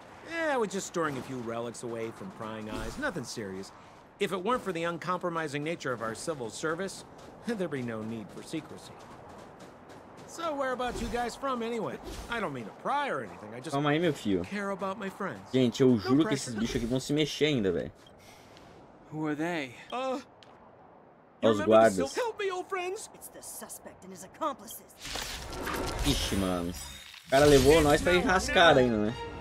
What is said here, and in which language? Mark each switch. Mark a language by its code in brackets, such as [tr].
[en] Yeah, we're just storing a few relics away from prying eyes. Nothing serious. If it weren't for the uncompromising nature of our civil service, there'd be no need for secrecy. So where about you guys from anyway? I don't mean to pry or anything. I just [pt] Calma aí, meu filho. [en] Care about my friends. [pt] Gente, eu juro que esses bichos aqui vão se mexer ainda, velho. [en] Who are they? [pt] aos guardas. [en] It's the suspect and his accomplices. [pt] Ixi, mano. O cara levou nós pra enrascada ainda, né?